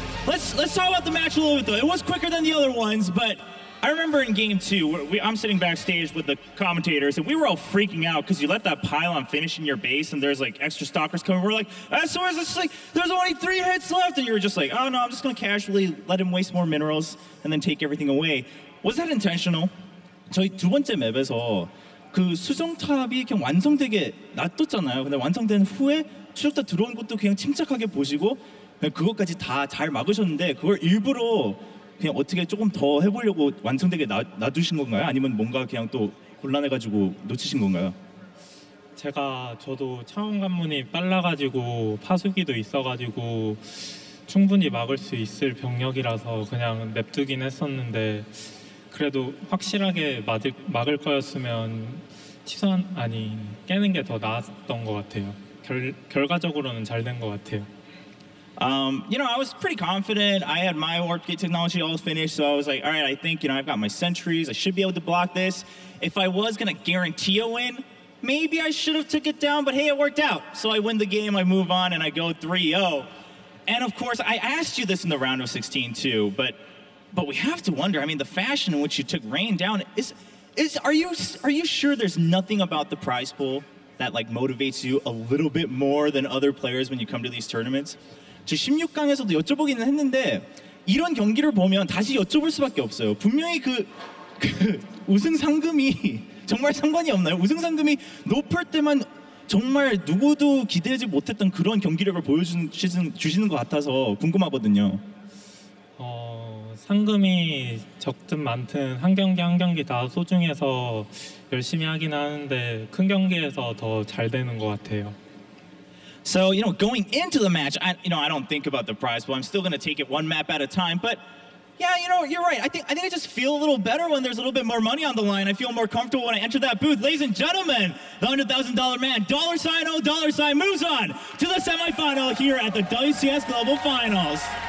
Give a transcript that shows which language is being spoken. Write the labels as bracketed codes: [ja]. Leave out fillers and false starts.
[en] Let's talk about the match a little bit, though. It was quicker than the other ones, but I remember in game two, I'm sitting backstage with the commentators, and we were all freaking out because you let that pylon finish in your base, and there's, like, extra stalkers coming. We're like, SOS, it's like, there's only three hits left. And you were just like, oh, no, I'm just going to casually let him waste more minerals and then take everything away. Was that intentional? [ko] 저희 두 번째 맵에서 그 수정 탑이 그냥 완성되게 놔뒀잖아요. 근데 완성된 후에 추적자 들어온 것도 그냥 침착하게 보시고 그것까지 다 잘 막으셨는데 그걸 일부러 그냥 어떻게 조금 더 해보려고 완성되게 놔두신 건가요? 아니면 뭔가 그냥 또 곤란해가지고 놓치신 건가요? 제가 저도 차원 관문이 빨라가지고 파수기도 있어가지고 충분히 막을 수 있을 병력이라서 그냥 냅두긴 했었는데 그래도 확실하게 막을 거였으면 취소한 아니 깨는 게 더 나았던 것 같아요. 결과적으로는 잘 된 것 같아요. [en] You know, I was pretty confident. I had my warp gate technology all finished, so I was like, all right, I think, you know, I've got my sentries. I should be able to block this. If I was going to guarantee a win, maybe I should have took it down, but hey, it worked out. So I win the game, I move on, and I go 3-0. And of course, I asked you this in the round of 16, too, but we have to wonder, I mean, the fashion in which you took Rain down, are you sure there's nothing about the prize pool that, like, motivates you a little bit more than other players when you come to these tournaments? [ko] 16강에서도 여쭤보기는 했는데 이런 경기를 보면 다시 여쭤볼 수밖에 없어요. 분명히 그 우승 상금이 정말 상관이 없나요? 우승 상금이 높을 때만 정말 누구도 기대하지 못했던 그런 경기력을 주시는 것 같아서 궁금하거든요. 상금이 적든 많든 한 경기 한 경기 다 소중해서 열심히 하긴 하는데 큰 경기에서 더 잘 되는 것 같아요. [en] So, you know, going into the match, I don't think about the prize pool. I'm still going to take it one map at a time. But, yeah, you know, you're right. I think I just feel a little better when there's a little bit more money on the line. I feel more comfortable when I enter that booth. Ladies and gentlemen, the $100,000 man, $0 moves on to the semifinal here at the WCS Global Finals.